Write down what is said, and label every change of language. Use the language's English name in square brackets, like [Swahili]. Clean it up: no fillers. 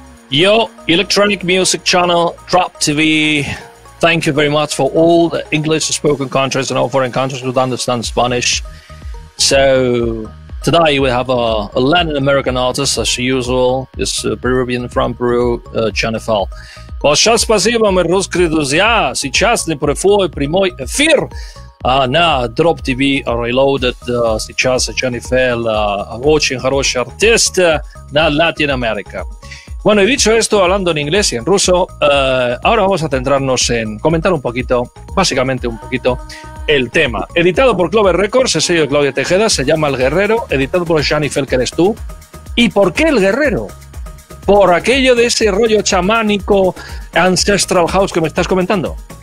[English] Yo, electronic music channel, Drop TV. Thank you very much for all the English spoken countries and all foreign countries who understand Spanish. So today we have a Latin American artist, as usual, is Peruvian from Peru, Jennifer. [Russian] Большое спасибо, мои русские друзья. Сейчас не прошел прямой эфир. На Drop TV Reloaded. Сейчас Jennifer, очень хороший артист на Latin America. [Spanish] Bueno, y dicho esto, hablando en inglés y en ruso, ahora vamos a centrarnos en comentar un poquito, básicamente un poquito, el tema. Editado por Clover Records, el sello de Claudia Tejeda, se llama El Guerrero, editado por Jennifer, que eres tú. ¿Y por qué El Guerrero? ¿Por aquello de ese rollo chamánico Ancestral House que me estás comentando?